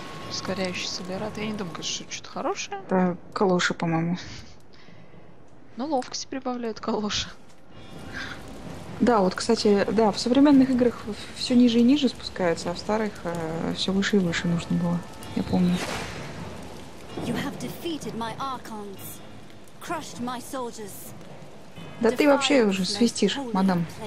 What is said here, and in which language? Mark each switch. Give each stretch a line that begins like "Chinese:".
Russian: Ускоряющий солярат. Я не думаю, что что-то хорошее. Да, калоши, по-моему. Ну, ловкость прибавляют калоши. Да, вот, кстати, да, в современных играх все ниже и ниже спускается, а в старых все выше и выше нужно было. Я помню.
English: You have defeated my archons, crushed my soldiers.
Russian: Да ты вообще уже свистишь, мадам.